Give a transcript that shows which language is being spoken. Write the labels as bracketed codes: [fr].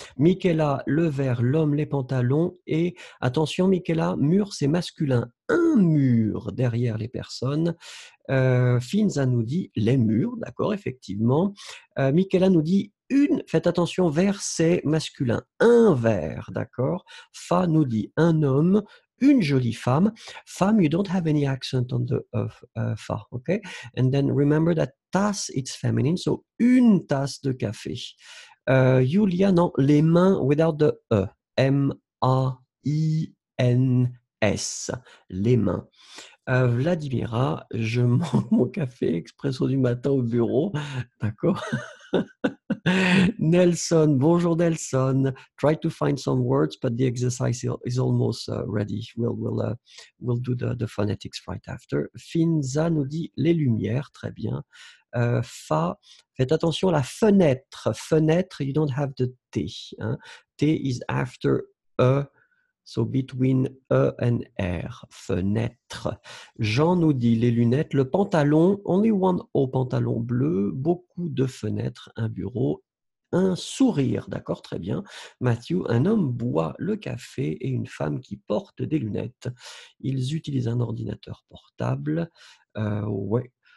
[fr] Michaela, le verre, l'homme, les pantalons. Et attention, Michaela, mur, c'est masculin. Un mur derrière les personnes. Finza nous dit les murs, d'accord, effectivement. Michaela nous dit une, faites attention, verre, c'est masculin. Un verre, d'accord. Fa nous dit un homme, une jolie femme. [en] Femme, you don't have any accent on the fa, ok? And then remember that tasse, it's feminine, so [fr] une tasse de café. Julia, non, les mains [en] without the e. [fr] M-A-I-N-S, les mains. Vladimira, je mange mon café expresso du matin au bureau, d'accord? Nelson, bonjour Nelson. [en] Try to find some words, but the exercise is almost ready. We'll do the phonetics right after. [fr] Finza nous dit les lumières, très bien. Fa, faites attention à la fenêtre. Fenêtre, [en] you don't have the T. [fr] Hein? [en] T is after E, so between E and R. [fr] Fenêtre. Jean nous dit les lunettes, le pantalon, [en] only one O, [fr] pantalon bleu, beaucoup de fenêtres, un bureau, un sourire. D'accord, très bien. Mathieu, un homme boit le café et une femme qui porte des lunettes. Ils utilisent un ordinateur portable. Ouais.